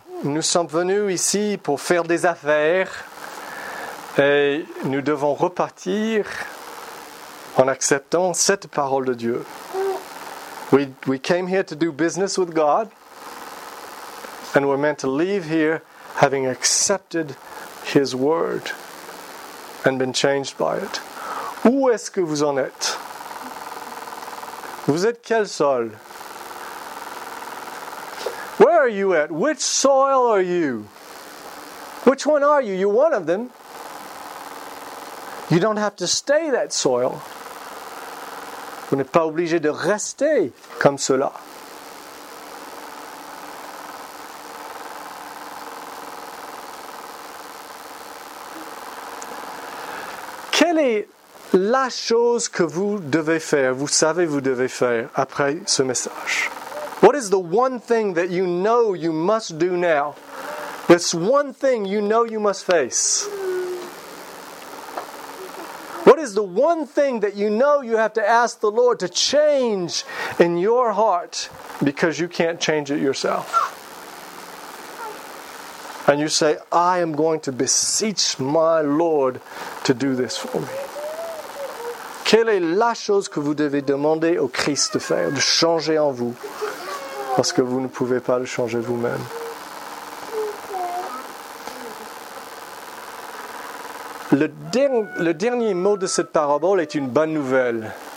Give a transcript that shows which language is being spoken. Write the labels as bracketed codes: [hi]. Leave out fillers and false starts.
[fr] Nous sommes venus ici pour faire des affaires. Et nous devons repartir en acceptant cette parole de Dieu. [en] We came here to do business with God, and we're meant to leave here having accepted His word and been changed by it. [fr] Où est-ce que vous en êtes? Vous êtes quel sol? [en] Where are you at? Which soil are you? Which one are you? You're one of them. You don't have to stay that soil. [fr] Vous n'êtes pas obligé de rester comme cela. Quelle est la chose que vous devez faire, vous savez vous devez faire après ce message? [en] What is the one thing that you know you must do now? This one thing you know you must face. is the one thing that you know you have to ask the Lord to change in your heart because you can't change it yourself. And you say, I am going to beseech my Lord to do this for me. [fr] Quelle est la chose que vous devez demander au Christ de faire, de changer en vous, parce que vous ne pouvez pas le changer vous-même. Le dernier mot de cette parabole est une bonne nouvelle.